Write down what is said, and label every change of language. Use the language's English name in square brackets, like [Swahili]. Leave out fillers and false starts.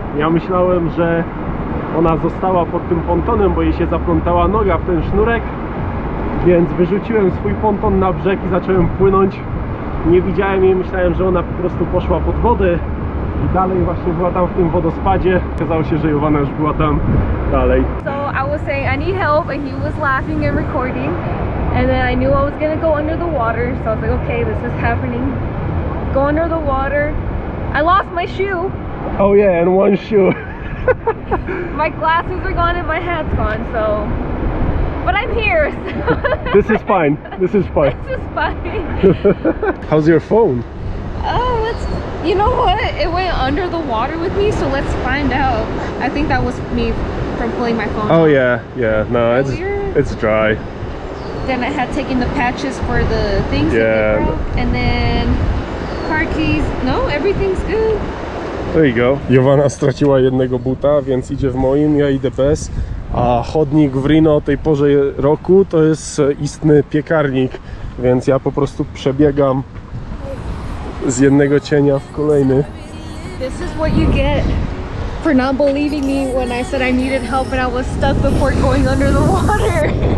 [Polish] Ja myślałem, że ona została pod tym pontonem, bo jej się zaplątała noga w ten sznurek, więc wyrzuciłem swój ponton na brzeg i zacząłem płynąć. Nie widziałem jej, myślałem, że ona po prostu poszła pod wodę i dalej właśnie była tam w tym wodospadzie. Okazało się, że Jovana już była tam dalej. [English] So I was saying I need help and he was laughing and recording and then I knew I was gonna go under the water, so I was like okay, this is happening. Go under the water. I lost my shoe. Oh yeah, and one shoe. My glasses are gone and my hat's gone, so... But I'm here, so... This is fine. This is fine. This is fine. How's your phone? Oh, it's... You know what? It went under the water with me, so let's find out. I think that was me from pulling my phone. Oh, yeah. Yeah. No, it's dry. Then I had taken the patches for the things that we broke. And then... Car keys. No, everything's good. There you go. [Polish] Jovana straciła jednego buta, więc idzie w moim, ja idę bez. A chodnik w Reno o tej porze roku to jest istny piekarnik, więc ja po prostu przebiegam z jednego cienia w kolejny. [English] This is what you get for not believing me when I said I needed help and I was stuck before going under the water.